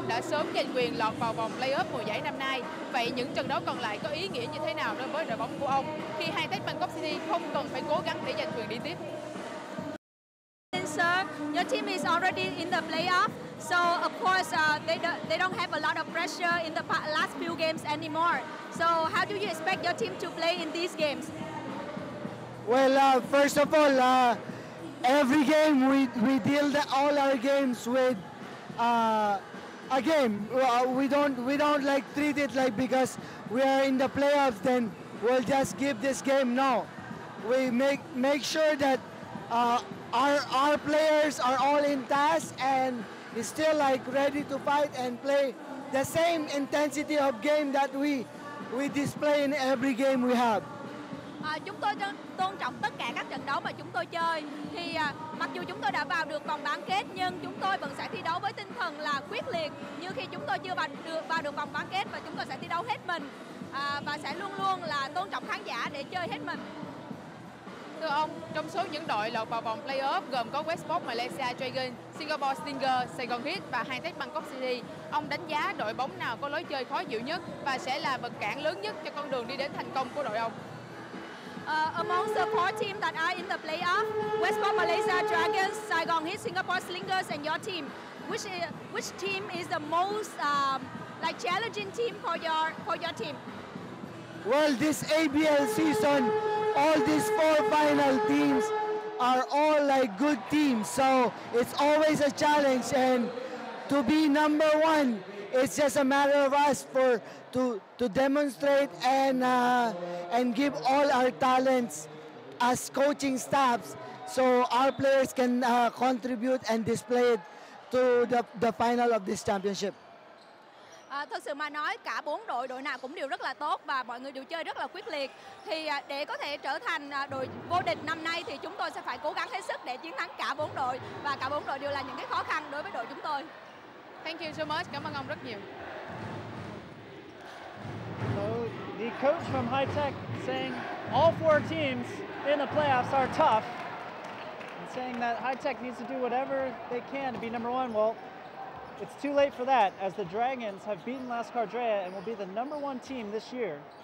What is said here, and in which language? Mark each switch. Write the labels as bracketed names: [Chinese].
[Vietnamese] Sớm giành quyền lọt vào vòng playoff mùa giải năm nay. Vậy những trận đấu còn lại có ý nghĩa như thế nào đối với đội bóng của ông khi hai Tech Bangkok City không cần phải cố gắng để giành quyền đi tiếp? [English] Sir, your team is already in the playoff, so of course they don't have a lot of pressure in the last few games anymore. So how do you expect your team to play in these games? Well, first of all, every game we deal all our games with. Again, we don't like treat it like because we are in the playoffs, then we'll just give this game. No, we make sure that our players are all in task and is still like ready to fight and play the same intensity of game that we display in every game we have. [Vietnamese] Chúng tôi tôn trọng tất cả các trận đấu mà chúng tôi chơi. Thì mặc dù chúng tôi đã vào được vòng bán kết, nhưng chúng tôi vẫn sẽ thi đấu với tinh thần là quyết liệt như khi chúng tôi chưa vào được vòng bán kết, và chúng tôi sẽ thi đấu hết mình và sẽ luôn luôn là tôn trọng khán giả để chơi hết mình. Thưa ông, trong số những đội lọt vào vòng playoff gồm có Westport Malaysia Dragon, Singapore Stinger, Saigon Heat và High Tech Bangkok City, ông đánh giá đội bóng nào có lối chơi khó chịu nhất và sẽ là vật cản lớn nhất cho con đường đi đến thành công của đội ông? [English] Among the four teams that are in the playoff, Westport Malaysia Dragons, Saigon Heat, Singapore Slingers, and your team, which team is the most like challenging team for your team? Well, this ABL season, all these four final teams are all like good teams, so it's always a challenge, and to be number one, it's just a matter of us for to demonstrate and give all our talents as coaching staffs so our players can contribute and display it to the final of this championship. [Vietnamese] Thật sự mà nói cả bốn đội nào cũng đều rất là tốt và mọi người đều chơi rất là quyết liệt. Thì để có thể trở thành đội vô địch năm nay thì chúng tôi sẽ phải cố gắng hết sức để chiến thắng cả bốn đội, và cả bốn đội đều là những cái khó khăn đối với đội chúng tôi. [English] Thank you so much. [Vietnamese] Cảm ơn ông rất nhiều. [English] So the coach from High Tech saying all four teams in the playoffs are tough, and saying that High Tech needs to do whatever they can to be number one. Well, it's too late for that, as the Dragons have beaten Las Cardrea and will be the number one team this year.